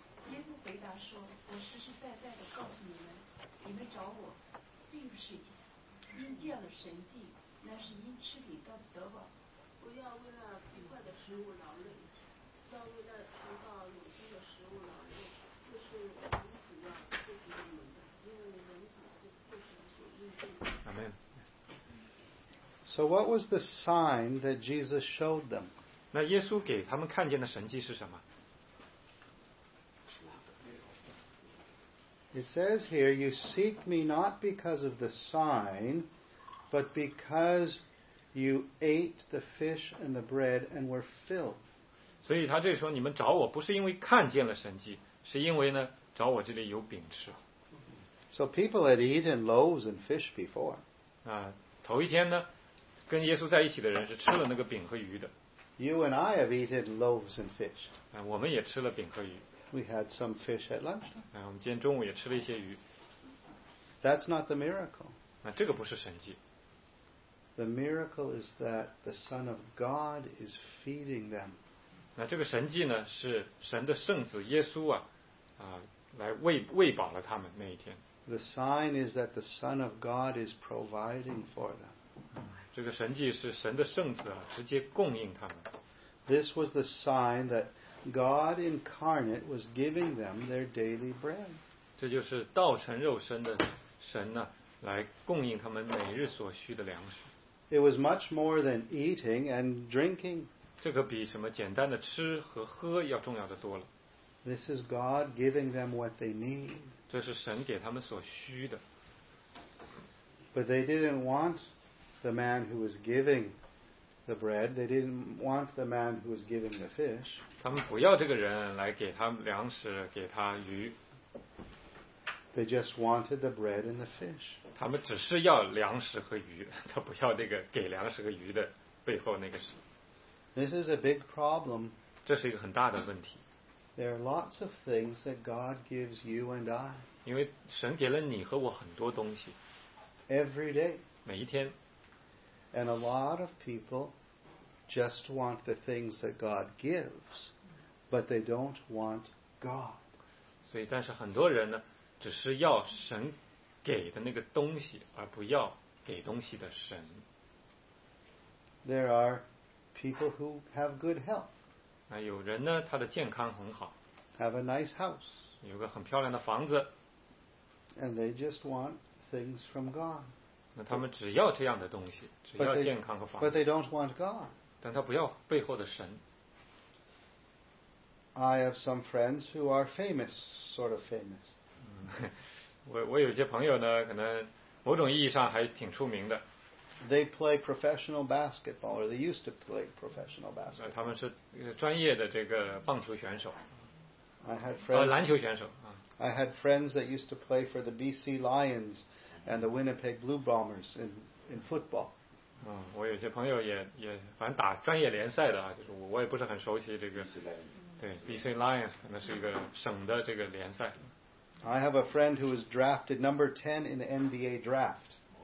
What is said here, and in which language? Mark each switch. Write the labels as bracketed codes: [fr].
[zh] 耶稣回答说，我实实在在的告诉你们，你们找我并不是因见了神迹，那是因吃饼到得饱。不要为了饼块的食物劳累，要为了尝到永生的食物劳累，就是人子要赐给你们的，因为人子是父神所应许的。阿门。 [en] So what was the sign that Jesus showed them? [zh] 那耶稣给他们看见的神迹是什么？ [en] It says here, you seek me not because of the sign, but because you ate the fish and the bread and were filled. [zh] 所以他这说你们找我不是因为看见了神迹，是因为呢找我这里有饼吃。 [en] So people had eaten loaves and fish before. [zh] 啊，头一天呢，跟耶稣在一起的人是吃了那个饼和鱼的。 [en] You and I have eaten loaves and fish. [zh] 啊，我们也吃了饼和鱼。 [en] We had some fish at lunch. [zh] 啊，我们今天中午也吃了一些鱼。 [en] That's not the miracle. [zh] 啊，这个不是神迹。 [en] The miracle is that the Son of God is feeding them. [zh] 那这个神迹呢，是神的圣子耶稣啊，啊，来喂饱了他们那一天。 [en] The sign is that the Son of God is providing for them. [zh] 这个神迹是神的圣子啊，直接供应他们。 [en] This was the sign that God incarnate was giving them their daily bread. [zh] 这就是道成肉身的神呢，来供应他们每日所需的粮食。 [en] It was much more than eating and drinking. [zh] 这个比什么简单的吃和喝要重要的多了。 [en] This is God giving them what they need. [zh] 这是神给他们所需的。 [en] But they didn't want the man who was giving the bread. They didn't want the man who was giving the fish. [zh] 他们不要这个人来给他们粮食，给他鱼。 [en] They just wanted the bread and the fish. [zh] 他们只是要粮食和鱼，他不要那个给粮食和鱼的背后那个事。 [en] This is a big problem. [zh] 这是一个很大的问题。 [en] There are lots of things that God gives you and I. [zh] 因为神给了你和我很多东西。 [en] Every day. [zh] 每一天。 [en] And a lot of people just want the things that God gives, but they don't want God. [zh] 所以，但是很多人呢，只是要神给的那个东西，而不要给东西的神。 [en] There are people who have good health. [zh] 那有人呢，他的健康很好。 [en] Have a nice house. [zh] 有个很漂亮的房子。 [en] And they just want things from God. [zh] 那他们只要这样的东西，只要健康和房子。 [en] But they don't want God. [zh] 但他不要背后的神。 [en] I have some friends who are famous, sort of famous. [zh] 我有些朋友呢，可能某种意义上还挺出名的。 [en] They play professional basketball, or they used to play professional basketball. [zh] 他们是专业的这个棒球选手。 [en] I had friends. [zh] 篮球选手。 [en] I had friends that used to play for the BC Lions and the Winnipeg Blue Bombers in football. [zh] 我有些朋友也反正打专业联赛的啊，就是我也不是很熟悉这个。对 ，BC Lions 可能是一个省的这个联赛。 [en] I have a friend who was drafted number 10 in the NBA draft.